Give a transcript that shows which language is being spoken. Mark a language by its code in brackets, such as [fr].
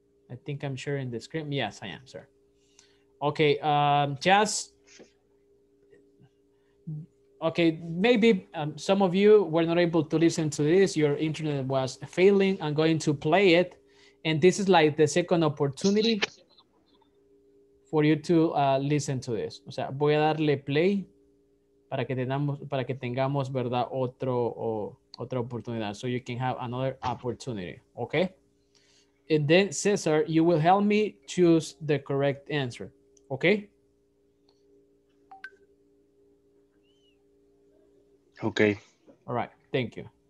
[en] I think I'm sharing the screen. Yes, I am, sir. Okay. Jazz. Okay, maybe some of you were not able to listen to this. Your internet was failing. I'm going to play it. And this is like the second opportunity for you to listen to this. [es] O sea, voy a darle play para que tengamos verdad otro o, otra oportunidad. [en] So you can have another opportunity, okay? And then, Cesar, you will help me choose the correct answer, okay? Okay. All right. Thank you.